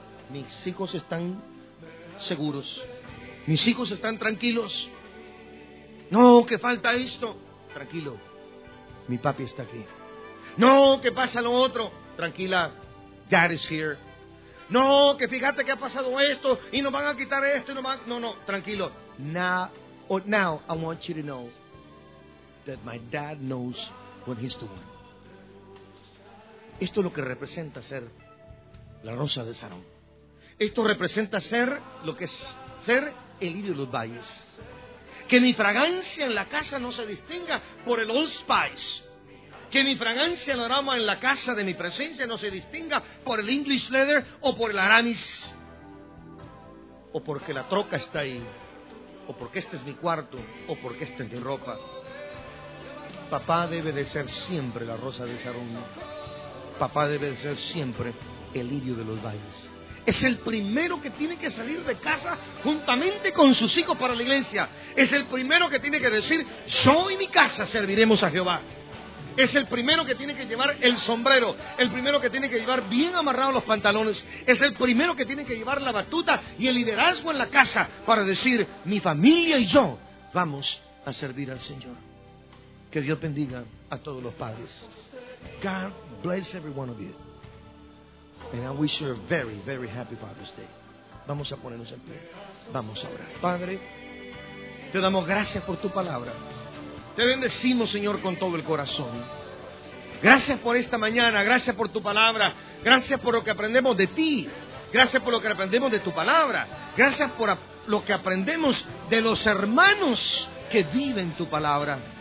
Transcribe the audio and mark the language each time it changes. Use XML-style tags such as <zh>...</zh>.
<es>Mis hijos están seguros, mis hijos están tranquilos. No, que falta esto, tranquilo, mi papi está aquí. No, que pasa lo otro, tranquila,</es> <en>dad is here.</en> <es>No, que fíjate que ha pasado esto y nos van a quitar esto y nos van a... No, tranquilo, nada</es> <en>Oh, now I want you to know that my dad knows what he's doing.</en> <es>Esto es lo que representa ser la rosa de Sarón. Esto representa ser lo que es ser el lirio de los valles. Que mi fragancia en la casa no se distinga por el Old Spice. Que mi fragancia en el aroma en la casa de mi presencia no se distinga por el English Leather o por el Aramis. O porque la troca está ahí. O porque este es mi cuarto. O porque esta es mi ropa. Papá debe de ser siempre la rosa de Sarón. Papá debe de ser siempre el lirio de los valles. Es el primero que tiene que salir de casa juntamente con sus hijos para la iglesia. Es el primero que tiene que decir, yo y mi casa serviremos a Jehová. Es el primero que tiene que llevar el sombrero. El primero que tiene que llevar bien amarrados los pantalones. Es el primero que tiene que llevar la batuta y el liderazgo en la casa para decir, mi familia y yo vamos a servir al Señor. Que Dios bendiga a todos los padres.</es> <en>God bless every one of you. And I wish you a very, very happy Father's Day.</en> <es>Vamos a ponernos en pie. Vamos a orar. Padre, te damos gracias por tu palabra. Te bendecimos, Señor, con todo el corazón. Gracias por esta mañana. Gracias por tu palabra. Gracias por lo que aprendemos de ti. Gracias por lo que aprendemos de tu palabra. Gracias por lo que aprendemos de los hermanos que viven tu palabra.</es>